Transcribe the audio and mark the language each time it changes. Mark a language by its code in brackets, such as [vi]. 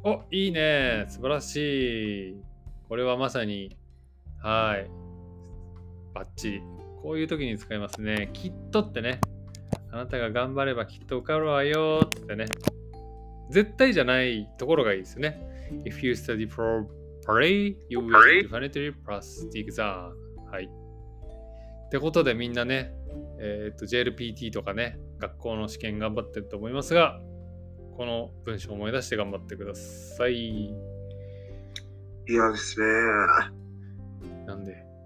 [ja] お、いいね、素晴らしい。これはまさに、はい、バッチリ。こういう時に使いますね、きっとってね。あなたが頑張ればきっと受かるわよってね。絶対じゃないところがいいですよね。 [en] If you study for pray, you will definitely pass the exam。 [ja] はい、ってことでみんなね、JLPT とかね、学校の試験頑張ってると思いますが、この文章を思い出して頑張ってください。いやですね。なんで？